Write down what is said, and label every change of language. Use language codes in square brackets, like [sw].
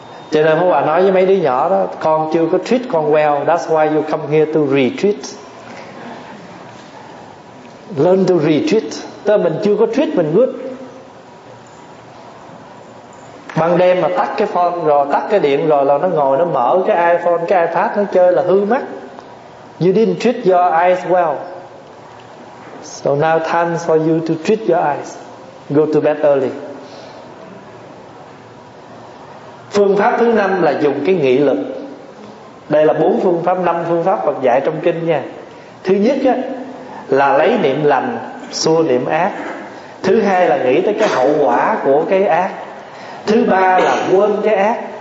[vi] Cho nên bố bà nói với mấy đứa nhỏ đó, con chưa có treat con well, [en] that's why you come here to retreat. Learn to retreat. [vi] Tức là mình chưa có treat mình good. Ban đêm mà tắt cái phone rồi, tắt cái điện rồi là nó ngồi nó mở cái iPhone, cái iPad nó chơi là hư mắt. [en] You didn't treat your eyes well. So now time for you to treat your eyes. Go to bed early. [vi] Phương pháp thứ năm là dùng cái nghị lực. Đây là bốn phương pháp, năm phương pháp Phật dạy trong kinh nha. Thứ nhất á, là lấy niệm lành xua niệm ác. Thứ hai là nghĩ tới cái hậu quả của cái ác. Thứ ba là quên cái ác.